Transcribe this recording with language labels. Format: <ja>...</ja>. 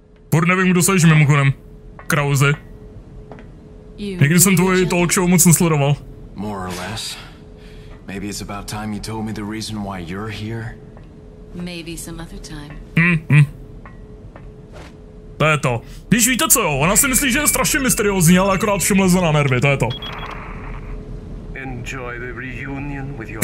<cs>Furt nevím, kdo seš mimochodem. Krause. Někdy jsem tvoji talk show moc nesledoval.</cs> <en>Maybe it's about time you told me the reason why you're here. Maybe some other time.</en> <cs>To je to. Když víte co jo, ona si myslí, že je strašně mysteriózní, ale akorát všem leze na nervy, to je to.</cs> <en>Enjoy the reunion with your.</en>